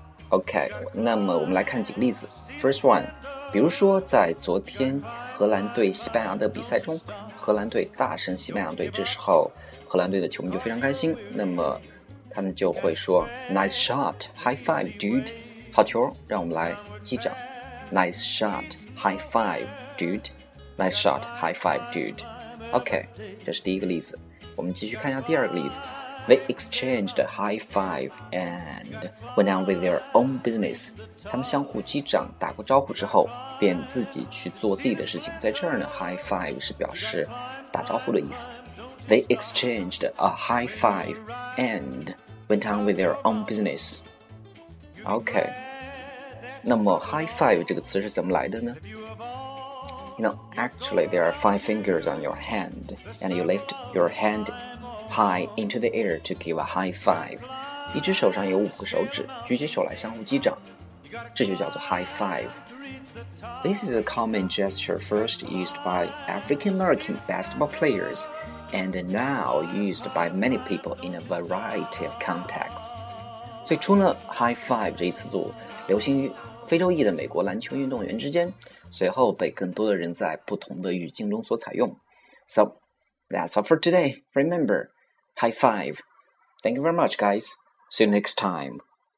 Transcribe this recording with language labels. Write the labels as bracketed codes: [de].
[zh] OK， 那么我们来看几个例子。 [en] First one， [zh] 比如说在昨天荷兰对西班牙的比赛中，荷兰队大胜西班牙队，这时候荷兰队的球迷就非常开心。那么他们就会说 [en] Nice shot, high five, dude. [zh] 好球，让我们来击掌。 [en] Nice shot, high five, dude. Nice shot, high five, dude. OK, [zh] 这是第一个例子。我们继续看一下第二个例子。 [en] They exchanged a high five and went on with their own business. [zh] 他们相互击掌打过招呼之后便自己去做自己的事情。在这儿呢 high five 是表示打招呼的意思。 [en] They exchanged a high five and went on with their own business. OK. [zh] 那么 high five 这个词是怎么来的呢 [en] ？You know, actually, there are five fingers on your hand, and you lift your hand high into the air to give a high five. [zh] 一只手上有五个手指，举起手来相互击掌，这就叫做 high five. [en] This is a common gesture first used by African-American basketball players. And now used by many people in a variety of contexts. [zh] 最初呢 ，high five 这一词组流行于非洲裔的美国篮球运动员之间，随后被更多的人在不同的语境中所采用。 [en] So that's all for today. Remember, high five. Thank you very much, guys. See you next time.